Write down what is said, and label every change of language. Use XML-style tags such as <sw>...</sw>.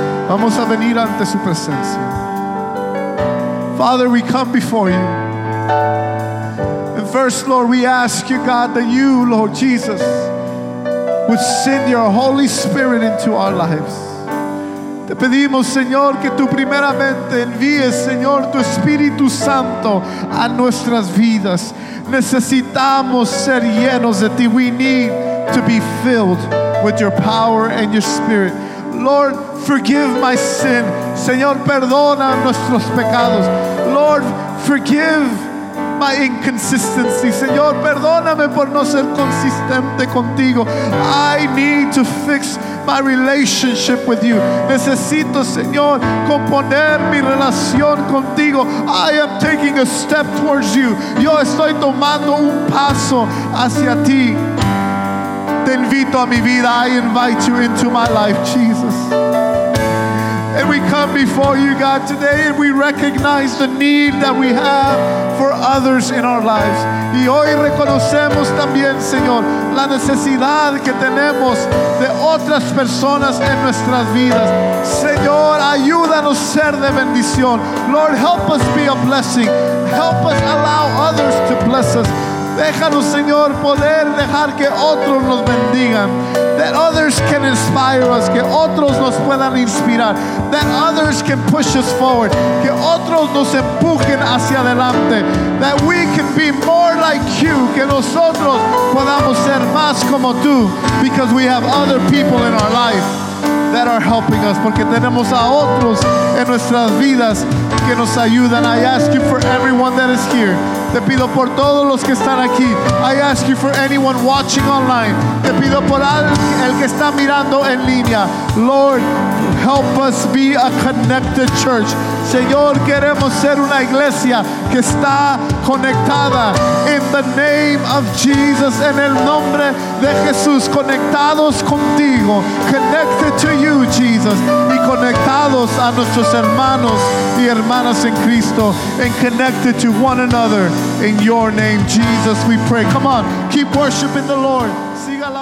<es>Vamos a venir ante su presencia.</es> <en>Father, we come before you. And first, Lord, we ask you, God, that you, Lord Jesus, would send your Holy Spirit into our lives.</en> <es>Te pedimos, Señor, que tú primeramente envíes, Señor, tu Espíritu Santo a nuestras vidas. Necesitamos ser llenos de ti.</es> <en>We need to be filled with your power and your spirit. Lord, forgive my sin.</en> <es>Señor, perdona nuestros pecados.</es> <en>Lord, forgive my inconsistency.</en> <es>Señor, perdóname por no ser consistente contigo.</es> <en>I need to fix my relationship with you.</en> <es>Necesito, Señor, componer mi relación contigo.</es> <en>I am taking a step towards you.</en> <es>Yo estoy tomando un paso hacia ti. Te invito a mi vida.</es> <en>I invite you into my life, Jesus. And we come before you, God, today, and we recognize the need that we have for others in our lives.</en> <es>Y hoy reconocemos también, Señor, la necesidad que tenemos de otras personas en nuestras vidas. Señor, ayúdanos ser de bendición.</es> <en>Lord, help us be a blessing. Help us allow others to bless us.</en> <es>Déjanos, Señor, poder dejar que otros nos bendigan.</es> <en>That others can inspire us.</en> <es>Que otros nos puedan inspirar.</es> <en>That others can push us forward.</en> <es>Que otros nos empujen hacia adelante.</es> <en>That we can be more like you.</en> <es>Que nosotros podamos ser más como tú.</es> <en>Because we have other people in our life that are helping us.</en> <es>Porque tenemos a otros en nuestras vidas que nos ayudan.</es> <en>I ask you for everyone that is here.</en> <es>Te pido por todos los que están aquí.</es> <en>I ask you for anyone watching online.</en> <es>Te pido por el que está mirando en línea.</es> <en>Lord, help us be a connected church.</en> <es>Señor, queremos ser una iglesia que está conectada.</es> <en>In the name of Jesus,</en> <es>en el nombre de Jesús, conectados contigo.</es> <en>Connected to you, Jesus.</en> <es>Y conectados a nuestros hermanos y hermanas en Cristo.</es> <en>And connected to one another. In your name, Jesus, we pray. Come on, keep worshiping the Lord. See</en>